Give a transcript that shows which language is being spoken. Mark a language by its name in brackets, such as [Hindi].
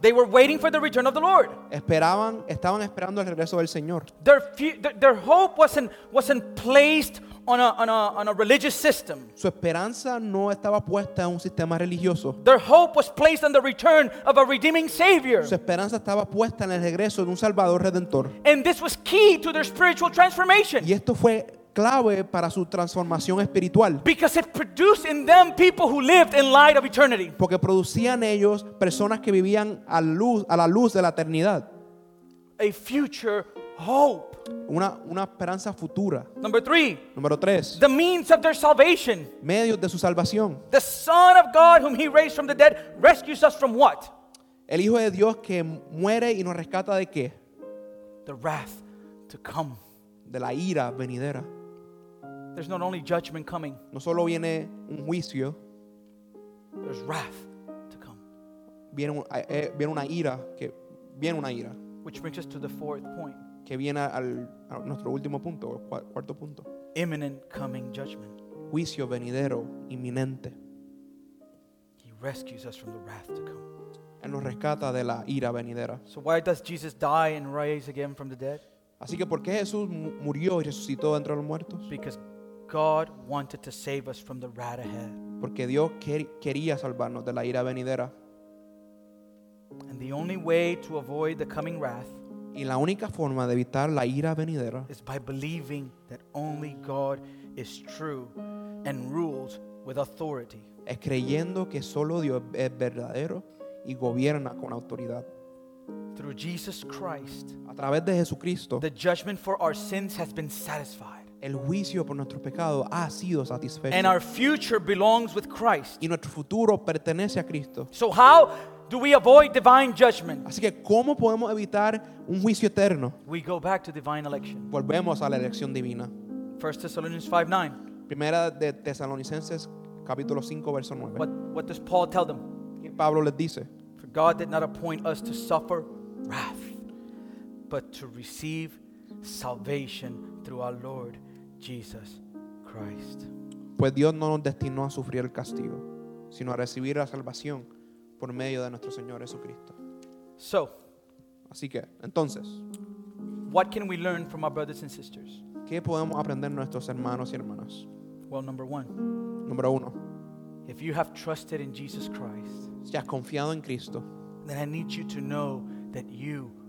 [English] They were waiting for the return of the Lord. [Spanish] Estaban esperando el regreso del Señor. [English] Their hope wasn't placed on a religious system. [Spanish] Su esperanza no estaba puesta en un sistema religioso. [English] Their hope was placed on the return of a redeeming Savior. [Spanish] Su esperanza estaba puesta en el regreso de un Salvador Redentor. [English] And this was key to their spiritual transformation. [Spanish] Y esto fue clave para su transformación espiritual. [English] Because it produced in them people who lived in light of eternity. [Spanish] Porque producían ellos personas que vivían a la luz de la eternidad. [English] A future hope. [Spanish] Una esperanza futura. [English] Number three. [Spanish] Número tres. [English] The means of their salvation. [Spanish] Medios de su salvación. [English] The Son of God, whom He raised from the dead, rescues us from what? [Spanish] El Hijo de Dios que muere y nos rescata de qué? [English] The wrath to come. [Spanish] De la ira venidera. [English] There's not only judgment coming. [Spanish] No solo viene un juicio. [English] There's wrath to come. [Spanish] Viene una ira. [English] Which brings us to the fourth point. [Spanish] Que viene a nuestro último punto, cuarto punto. [English] Imminent coming judgment. [Spanish] Juicio venidero, inminente. [English] He rescues us from the wrath to come. [Spanish] Él nos rescata de la ira venidera. [English] So why does Jesus die and rise again from the dead? [Spanish] Así que ¿por qué Jesús murió y resucitó entre los muertos? [English] Because God wanted to save us from the wrath ahead. [Spanish] Porque Dios quería salvarnos de la ira venidera. [English] And the only way to avoid the coming wrath. [Spanish] Y la única forma de evitar la ira venidera [English] is by believing that only God is true and rules with authority. [Spanish] Es creyendo que solo Dios es verdadero y gobierna con autoridad. [English] Through Jesus Christ, [Spanish] a través de Jesucristo, [English] the judgment for our sins has been satisfied. [Spanish] El juicio por nuestro pecado ha sido satisfecho. [English] And our future belongs with Christ. [Spanish] Y nuestro futuro pertenece a Cristo. [English] So how do we avoid divine judgment? [Spanish] Así que ¿cómo podemos evitar un juicio eterno? [English] We go back to divine election. [Spanish] Volvemos a la elección divina. [English] 1 Thessalonians 5:9. [Spanish] Primera de Tesalonicenses capítulo 5 verso 9. [English] What does Paul tell them? [Spanish] ¿Qué Pablo les dice? [English] For God did not appoint us to suffer wrath, but to receive salvation through our Lord Jesus Christ. [Spanish] Pues Dios no nos destinó a sufrir el castigo, sino a recibir la salvación por medio de nuestro Señor Jesucristo. [English] So, [Spanish] así que, entonces, [English] what can we learn from our brothers and sisters? [Spanish] ¿Qué podemos aprender nuestros hermanos y hermanas? [English] Well, number one. [Spanish] Número uno. [English] If you have trusted in Jesus Christ, [Spanish] si has confiado en Cristo, [English] then I need you to know that you